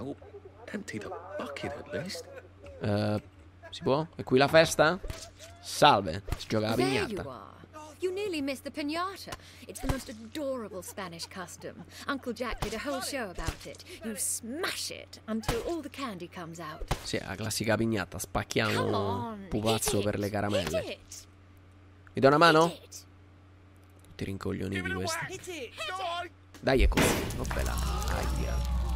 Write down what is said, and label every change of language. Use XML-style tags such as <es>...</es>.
<en>We'll empty the bucket at least.</en> <it>Si può? È qui la festa? Salve, si gioca la pignata.</it> <en>You nearly missed the pinata. It's the most adorable Spanish custom. Uncle Jack did a whole show about it. You smash it until all the candy comes out.</en> <it>Sì, la classica pignata. Spacchiamo il pupazzo per le caramelle. Mi do una mano? Tutti rincoglioniti questi. Dai, è così. Oh, bella. Aia.</it>